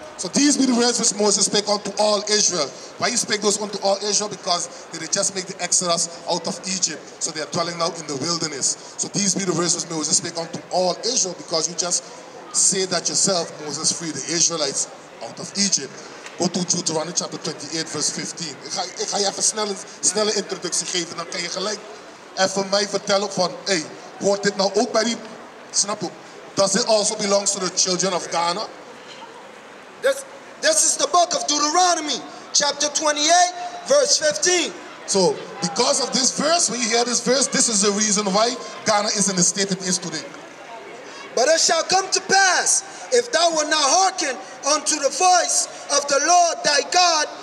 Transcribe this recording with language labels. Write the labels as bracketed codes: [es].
[en] So these be the words which Moses spake unto all Israel. Why he spake those unto all Israel? Because they did just make the Exodus out of Egypt. So they are dwelling now in the wilderness. So these be the words which Moses spake unto all Israel, because you just say that yourself, Moses freed the Israelites out of Egypt. Go to Deuteronomy chapter 28, verse 15. [nl] Ik ga je even snelle introductie geven. Dan kan je gelijk even mij vertellen van, hey, hoort dit nou ook bij die, snap je? [en] Does it also belong to the children of Ghana? This is the book of Deuteronomy, chapter 28, verse 15. So, because of this verse, when you hear this verse, this is the reason why Ghana is in the state it is today. But it shall come to pass, if thou wilt not hearken unto the voice of the Lord thy God.